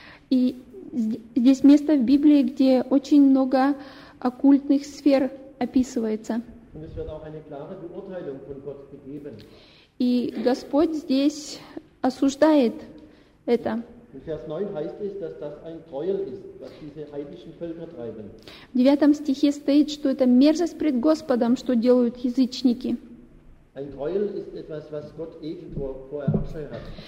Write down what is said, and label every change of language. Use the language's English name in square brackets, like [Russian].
[Russian] И здесь место в Библии, где очень много оккультных сфер описывается. [German] Und es wird auch eine klare Beurteilung von Gott gegeben. [Russian] И Господь здесь осуждает это. [German] In Vers 9 heißt es, dass das ein Gräuel ist, was diese heidnischen Völker treiben. [Russian] В 9 стихе стоит, что это мерзость пред Господом, что делают язычники. [German] Ein Gräuel ist etwas, was Gott ekelt, vorher Abscheu hat.